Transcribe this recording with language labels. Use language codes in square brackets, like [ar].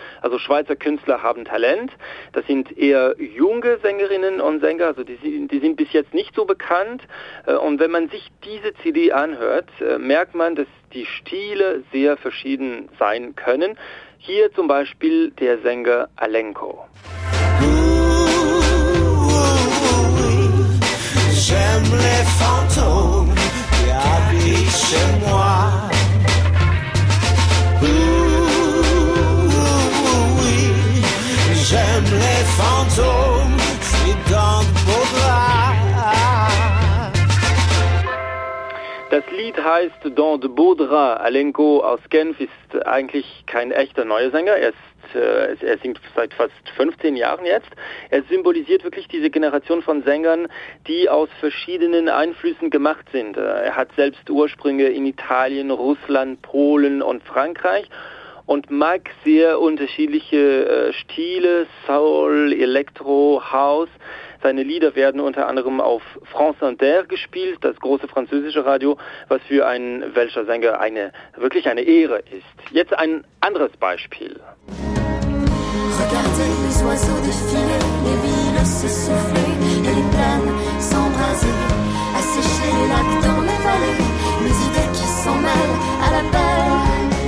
[de] Also Schweizer Künstler haben Talent. Das sind eher junge Sängerinnen und Sänger, also die sind bis jetzt nicht so bekannt. Und wenn man sich diese CD anhört, merkt man, dass die Stile sehr verschieden sein können. Hier zum Beispiel der Sänger Alenko. [fr] J'aime les fantômes qui habitent chez moi. Ooh, oui, j'aime les fantômes qui dansent pour toi. [de] Das Lied heißt Dans de Beaux Draps. Alenko aus Genf ist eigentlich kein echter neuer Sänger. Er singt seit fast 15 Jahren jetzt. Er symbolisiert wirklich diese Generation von Sängern, die aus verschiedenen Einflüssen gemacht sind. Er hat selbst Ursprünge in Italien, Russland, Polen und Frankreich und mag sehr unterschiedliche Stile, Soul, Electro, House. Seine Lieder werden unter anderem auf France Inter gespielt, das große französische Radio, was für einen welscher Sänger wirklich eine Ehre ist. Jetzt ein anderes Beispiel. [fr] Regardez les oiseaux défiler, les villes se souffler, et les plaines s'embraser, assécher les lacs dans les vallées, les idées qui s'en mêlent à la belle.